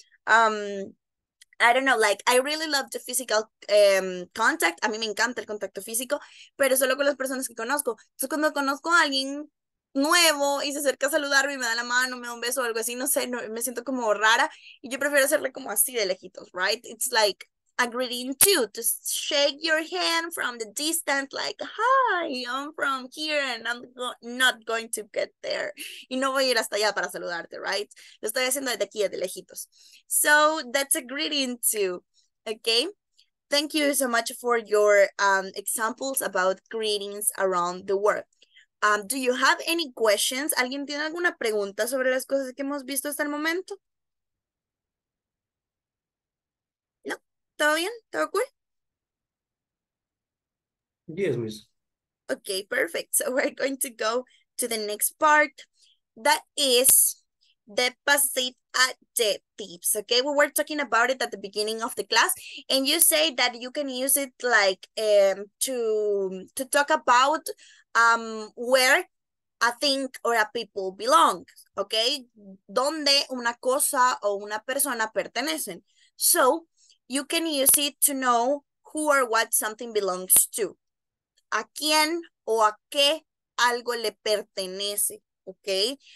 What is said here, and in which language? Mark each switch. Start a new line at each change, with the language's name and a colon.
English: I don't know, like, I really love the physical contact.
Spanish: A mí me encanta el contacto físico, pero solo con las personas que conozco. Entonces, cuando conozco a alguien nuevo y se acerca a saludarme y me da la mano, me da un beso o algo así, no sé, no, me siento como rara y yo prefiero hacerle como así de lejitos, right?
English: It's like a greeting too, to shake your hand from the distance, like hi, I'm from here and I'm not going to get there,
Spanish: y no voy a ir hasta allá para saludarte,
English: right?
Spanish: Lo estoy haciendo desde aquí, de lejitos.
English: So that's a greeting too. Okay, thank you so much for your examples about greetings around the world. Do you have any questions?
Spanish: ¿Alguien tiene alguna pregunta sobre las cosas que hemos visto hasta el momento? No, ¿todo bien? ¿Todo cool?
English: Yes, miss. Okay, perfect. So we're going to go to the next part. That is the passive adjectives. Okay, we were talking about it at the beginning of the class, and you say that you can use it like to talk about where a thing or a people belong, okay?
Spanish: Donde una cosa o una persona pertenecen.
English: So you can use it to know who or what something belongs to.
Spanish: A quién o a qué algo le pertenece, okay?